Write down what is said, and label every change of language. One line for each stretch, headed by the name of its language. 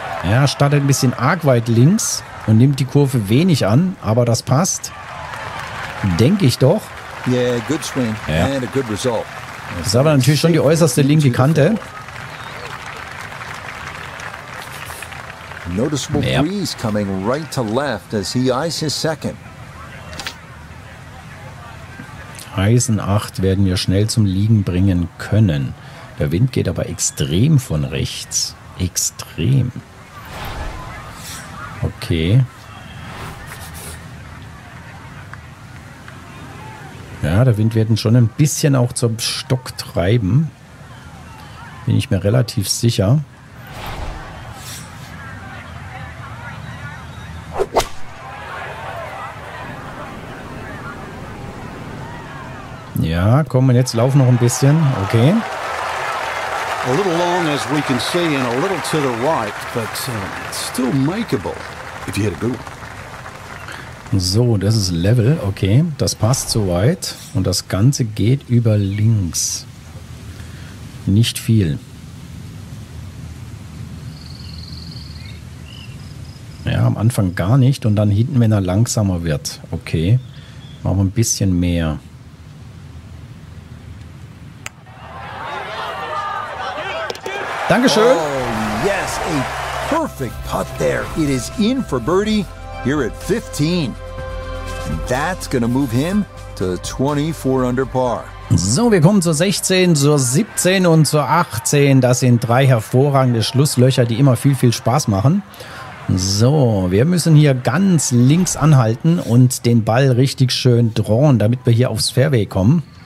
German: Ja, startet ein bisschen arg weit links. Und nimmt die Kurve wenig an, aber das passt. Denke ich doch.
English: Yeah, good swing.
German: Ja.
English: And a good result.
German: Das ist aber natürlich schon die äußerste linke Kante.
English: Noticeable breeze coming right to left as he ice his second.
German: Eisen 8 werden wir schnell zum Liegen bringen können. Der Wind geht aber extrem von rechts. Extrem. Okay. Ja, der Wind wird ihn schon ein bisschen auch zum Stock treiben. Bin ich mir relativ sicher. Ja, komm, und jetzt lauf noch ein bisschen. Okay.
English: A little long as we can see and a little to the right, but still makeable. If you had a good one.
German: So, das ist Level. Okay, das passt soweit. Und das Ganze geht über links. Nicht viel. Ja, am Anfang gar nicht. Und dann hinten, wenn er langsamer wird. Okay, machen wir ein bisschen mehr. Dankeschön.
English: Oh, yes, perfect putt there. It is in for birdie here at 15. And that's gonna move him to 24 under par.
German: So, wir kommen zur 16, zur 17 und zur 18. Das sind drei hervorragende Schlusslöcher, die immer viel, viel Spaß machen. So, wir müssen hier ganz links anhalten und den Ball richtig schön drohen, damit wir hier aufs Fairway kommen.